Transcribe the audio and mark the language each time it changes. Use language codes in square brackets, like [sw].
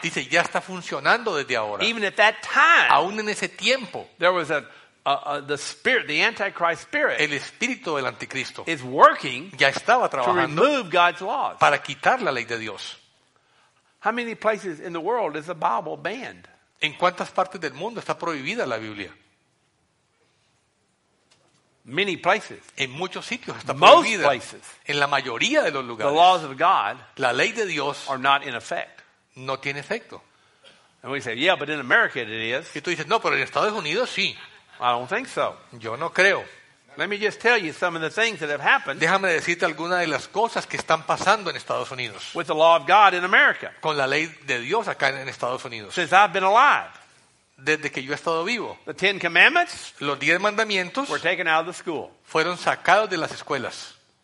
[es] Dice ya está funcionando desde ahora. [en] Even at that time, [es] aún en ese tiempo, [en] there was the spirit, the Antichrist spirit, [es] el espíritu del anticristo, [en] is working. [es] Ya estaba trabajando [en] to remove God's laws, [es] para quitar la ley de Dios. [en] How many places in the world is the Bible banned? [es] ¿En cuántas partes del mundo está prohibida la Biblia? [en] Many places. [es] En muchos sitios está [en] Most [es] prohibida. [en] Places. [es] En la mayoría de los lugares. [en] The laws of God, [es] la ley de Dios, [en] are not in effect. [es] No tiene efecto. [en] And we say, yeah, but in America it is. [es] Y tú dices, no, pero en Estados Unidos sí. [en] I don't think so. [es] Yo no creo. [en] Let me just tell you some of the things that have happened. [es] Déjame decirte algunas de las cosas que están pasando en Estados Unidos. [en] With the law of God in America. [es] Con la ley de Dios acá en Estados Unidos. [en] Since I've been alive. [es] Desde que yo he estado vivo. [en] The Ten Commandments. [es] Los 10 mandamientos. [en] Were taken out of the school. [es] Fueron sacados de las escuelas.